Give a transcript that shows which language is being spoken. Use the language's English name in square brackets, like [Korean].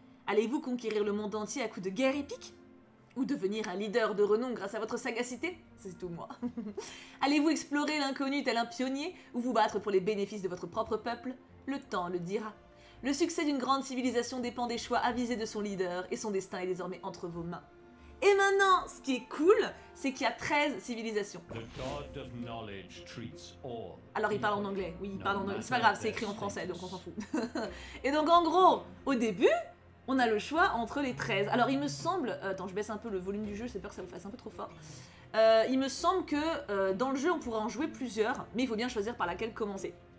[French] Allez-vous conquérir le monde entier à coups de guerre épique? Ou devenir un leader de renom grâce à votre sagacité? C'est tout moi. Allez-vous explorer l'inconnu tel un pionnier? Ou vous battre pour les bénéfices de votre propre peuple? Le temps le dira. Le succès d'une grande civilisation dépend des choix avisés de son leader et son destin est désormais entre vos mains. Et maintenant, ce qui est cool, c'est qu'il y a 13 civilisations. [English] The God of knowledge treats all. [French] Alors, il parle en anglais. Oui, il parle en anglais. C'est pas grave, c'est écrit en français, donc on s'en fout. Et donc, en gros, au début, on a le choix entre les 13. Alors, il me semble... Attends, je baisse un peu le volume du jeu, j'ai peur que ça vous fasse un peu trop fort. Il me semble que dans le jeu, on pourra en jouer plusieurs, mais il faut bien choisir par laquelle commencer.